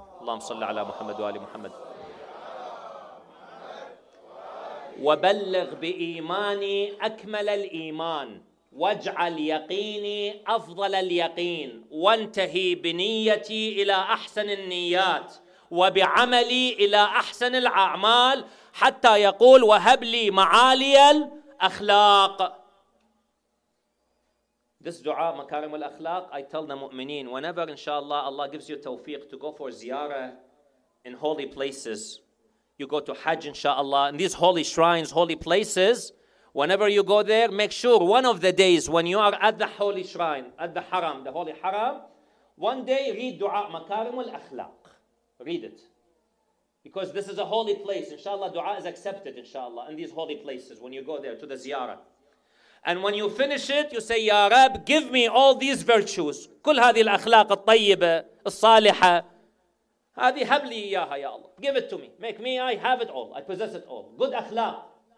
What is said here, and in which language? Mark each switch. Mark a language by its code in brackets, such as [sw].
[ar] اللهم صل على محمد وآل محمد وبلغ بإيماني أكمل الإيمان واجعل يقيني أفضل اليقين وانتهي بنيتي إلى أحسن النيات وبعملي إلى أحسن الأعمال حتى يقول وهب لي معالي الأخلاق. [en] This dua, makarim al-akhlaq, I tell the mu'mineen, whenever inshallah Allah gives you tawfiq to go for ziyarah in holy places, you go to hajj inshallah, in these holy shrines, holy places, whenever you go there, make sure one of the days when you are at the holy shrine, at the haram, the holy haram, one day read dua makarim al-akhlaq. Read it. Because this is a holy place. Inshallah, dua is accepted inshallah in these holy places when you go there to the ziyarah. And when you finish it, you say, Ya Rab, give me all these virtues. [ar] كل هذه الأخلاق الطيبة الصالحة هذه هب لي إياها يا الله. [en] Give it to me. Make me, I have it all. I possess it all. Good أخلاق.